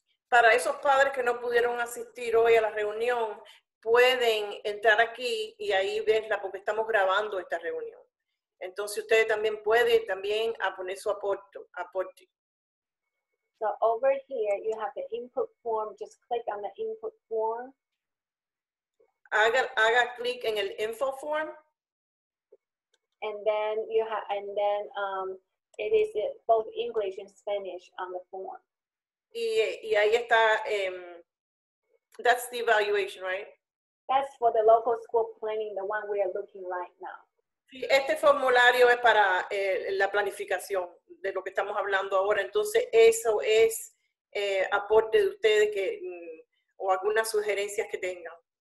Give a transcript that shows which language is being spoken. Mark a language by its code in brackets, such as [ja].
[es] Para esos padres que no pudieron asistir hoy a la reunión, pueden entrar aquí y ahí verla porque estamos grabando esta reunión. Entonces ustedes también pueden también a poner su aporte. [en] So over here you have the input form. Just click on the input form. [es] Haga clic en el info form. [en] And then you have, and then it is both English and Spanish on the form. [es] Y ahí está, [en] that's the evaluation, right? That's for the local school planning, the one we are looking right now. [es] Sí, este formulario es para la planificación de lo que estamos hablando ahora. Entonces, eso es aporte de ustedes que, o algunas sugerencias que tengan.